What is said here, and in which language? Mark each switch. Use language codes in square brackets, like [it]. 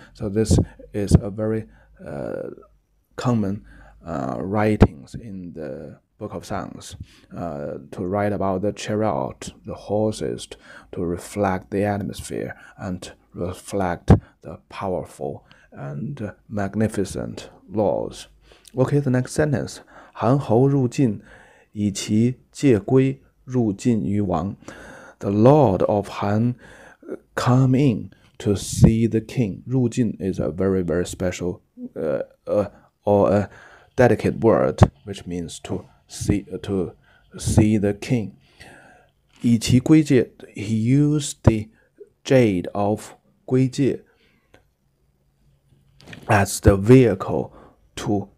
[en] So this is a very common writings in the Book of Songs to write about the chariot, the horses, to reflect the atmosphere and reflect the powerful and magnificent laws. Okay, the next sentence. [zh] 韩侯入晋，以其戒规入晋于王。 [en] The Lord of Han come in to see the king. 入晋 is a very, very special or a dedicated word, which means to see the king. [zh] 以其规戒, [en] he used the jade of 规戒 as the vehicle to.